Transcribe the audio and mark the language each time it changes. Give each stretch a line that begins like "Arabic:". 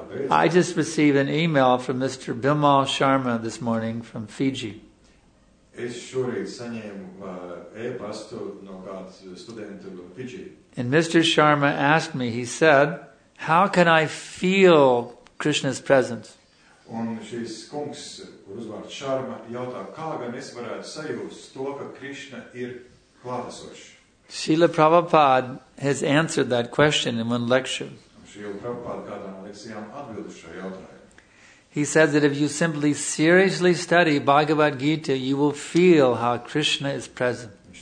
English: I just received an email from Mr. Bimal Sharma this morning from Fiji. And Mr. Sharma asked me, he said, how can I feel Krishna's presence?
Latvian: Un šis kungs, kur uzvārds Sharma, jautā, kā gan es varētu sajūst to, ka Krishna ir klātesošs?
English: Srila Prabhupāda has answered that question in one lecture.
Latvian: Srila Prabhupāda kādā no lekcijām atbild šo jautājumu.
English: He says that if you simply seriously study Bhagavad Gita, you will feel how Krishna is present.